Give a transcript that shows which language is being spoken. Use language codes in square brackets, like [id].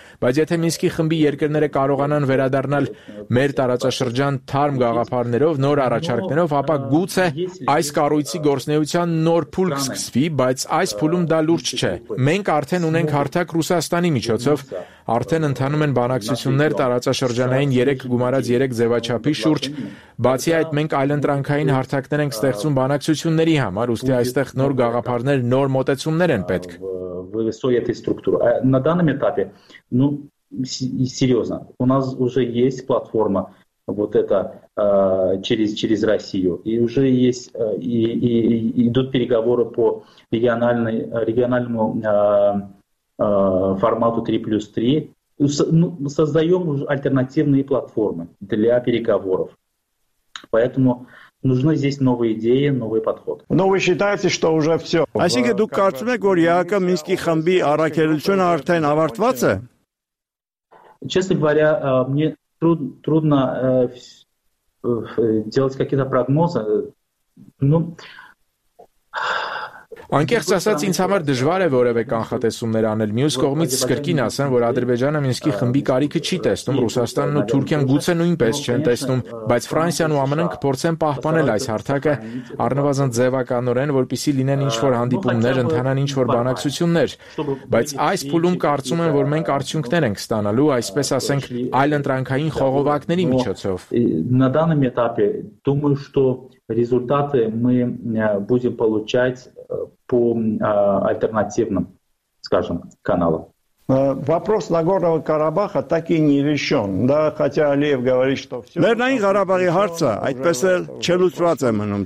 [hy] Բայց եթե Մինսկի խմբի երկրները կարողանան վերադառնալ մեր տարածաշրջան թարմ գաղափարներով, նոր առաջարկներով, ապա գուցե այս կառույցի գործնեության նոր փուլ կսկսվի, բայց այս փուլում դա լուրջ չէ։ Մենք արդեն ունենք հարթակ Ռուսաստանի միջոցով, արդեն ընդանում են բանակցություններ տարածաշրջանային 3 գումարած 3 ձևաչափի շուրջ, բացի այդ մենք այլընտրանքային հարթակներ ենք ստեղծում բանակցությունների համար, ուստի այստեղ նոր գաղափարներ, նոր մոտեցումներ են պետք։ [ru] Вывести эту структуру. А на данном этапе, серьезно, у нас уже есть платформа вот это через Россию, и уже есть и идут переговоры по региональному формату 3+3. Создаем уже альтернативные платформы для переговоров. Поэтому нужны здесь новые идеи, новый подход. Но вы считаете, что уже всё? [hy] Այսինքն դուք կարծում եք, որ ԵԱԿ-ի Մինսկի խմբի առաքելությունը արդեն ավարտված է? [ru] Честно говоря, мне трудно делать какие-то прогнозы. [hy] Անկեղծ ասած, ինձ համար դժվար է որևէ կանխատեսումներ անել։ Մյուս կողմից սկրկին ասեմ, որ Ադրբեջանը Մինսկի խմբի կարիքը չի տեսնում, Ռուսաստանն ու Թուրքիան գուցե նույնպես չեն տեսնում, բայց Ֆրանսիան ու ԱՄՆ-ն կփորձեն պահպանել այս հարթակը առնվազն ձևականորեն, որպեսզի լինեն ինչ-որ հանդիպումներ, ընդհանան ինչ-որ բանակցություններ, բայց այս փուլում կարծում եմ, որ մենք արդյունքներ ենք ստանալու, այսպես ասենք, այլընտրանքային խողովակների միջոցով։ [ru] На данном этапе думаю, что результаты мы будем получать по альтернативным, скажем, каналам. Вопрос Нагорного Карабаха так и не решен. Да, хотя Алиев говорит, что все... [hy] Лернаин Карабахи харца, айтпес эл челуцвац эмэнум.